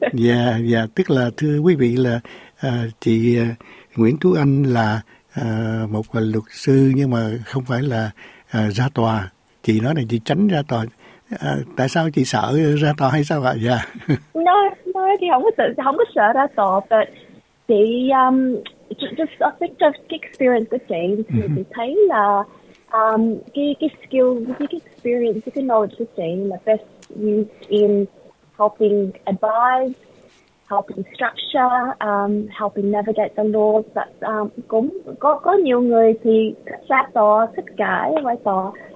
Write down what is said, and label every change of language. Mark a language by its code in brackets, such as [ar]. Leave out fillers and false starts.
[vi] yeah, tức là thưa quý vị là chị Nguyễn Thu Anh là một luật sư nhưng mà không phải là ra tòa. Chị nói là chị tránh ra tòa. Tại sao chị sợ ra tòa hay sao vậy? No, chị không có sợ ra tòa. [en] But chị, just I think just the experience of chị, [vi] chị thấy là cái [en] skill, cái experience, cái knowledge of chị là best used in helping advise, helping structure, helping navigate the laws. [vi] But có nhiều người thì ra tòa, thích cãi ngoài tòa.